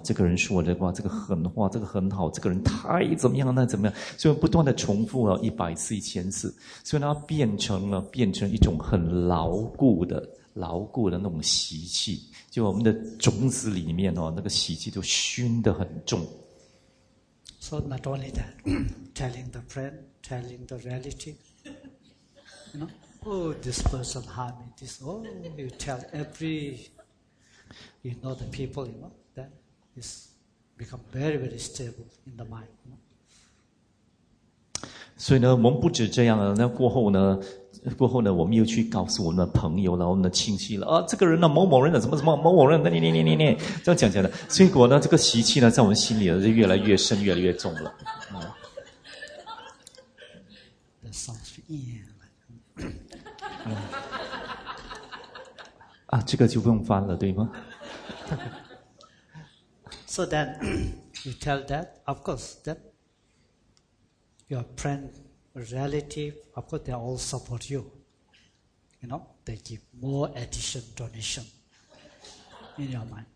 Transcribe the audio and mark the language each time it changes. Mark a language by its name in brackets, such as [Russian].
[Chinese] 这个人说的话，这个狠话，这个很好，这个人太怎么样，那怎么样？所以不断的重复了100次、1000次，所以它变成一种很牢固的那种习气，就我们的种子里面哦，那个习气就熏得很重。 [English] So not only that, telling the friend, telling the relative, you know, oh, this person harmed me, this, oh, you tell every, you know, the people, you know, that is become very, very stable in the mind. You know? [Chinese] 所以呢，我们不止这样了，那过后呢，我们又去告诉我们的朋友了，我们的亲戚了，啊，这个人呢，某某人的什么什么某某人的，你这样讲的，结果呢，这个习气呢，在我们心里呢，就越来越深，越来越重了。 [English] That sounds weird. [Chinese] 啊，这个就不用翻了，对吗 [English] ？So then you tell that, of course, that your friend. Relative, of course, they all support you. You know, they give more addition, donation in your mind.